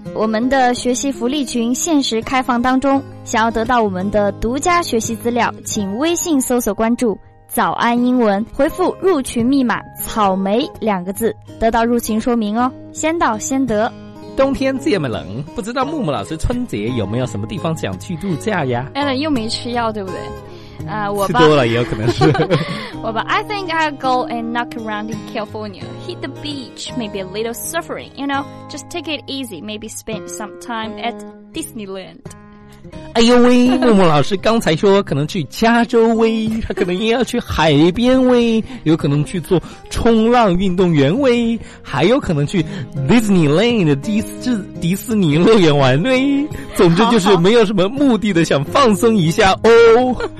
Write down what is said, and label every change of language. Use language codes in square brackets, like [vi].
[zh] 我们的学习福利群限时开放当中，想要得到我们的独家学习资料，请微信搜索关注早安英文，回复入群密码草莓两个字，得到入群说明哦，先到先得。冬天这么冷，不知道木木老师春节有没有什么地方想去度假呀？哎，又没吃药，对不对？我吃多了也有可能是。我吧 [en] ，I think I'll go and knock around in California, hit the beach, maybe a little surfing, you know, just take it easy, maybe spend some time at Disneyland. [zh] 哎呦喂，木木老师刚才说可能去加州喂，他可能也要去海边喂，有可能去做冲浪运动员喂，还有可能去 Disneyland 迪士尼乐园玩喂。总之就是没有什么目的的，想放松一下哦。